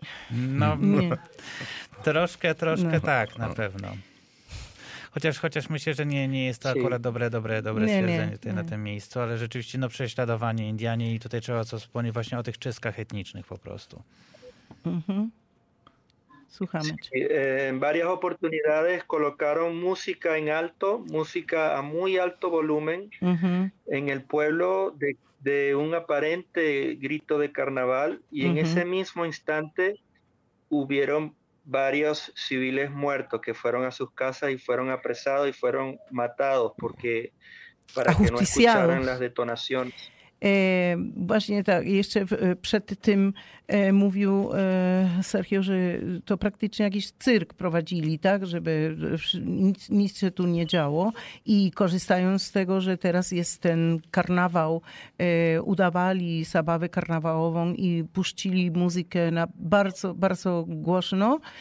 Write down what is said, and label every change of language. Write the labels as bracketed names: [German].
[Polish] No, nie. troszkę no. Tak, na pewno. Chociaż myślę, że nie jest to akurat dobre stwierdzenie tutaj na tym miejscu, ale rzeczywiście no, prześladowanie Indianie i tutaj trzeba co wspomnieć właśnie o tych czystkach etnicznych po prostu. Słuchamy. [Spanish] Sí, en varias oportunidades colocaron música en alto, música a muy alto volumen en el pueblo de un aparente grito de carnaval y en ese mismo instante hubieron varios civiles muertos que fueron a sus casas y fueron apresados y fueron matados porque para que no escucharan las detonaciones. [Polish] Właśnie tak, jeszcze przed tym mówił Sergio, że to praktycznie jakiś cyrk prowadzili, tak, żeby nic się tu nie działo i korzystając z tego, że teraz jest ten karnawał, udawali zabawę karnawałową i puścili muzykę na bardzo, bardzo głośno.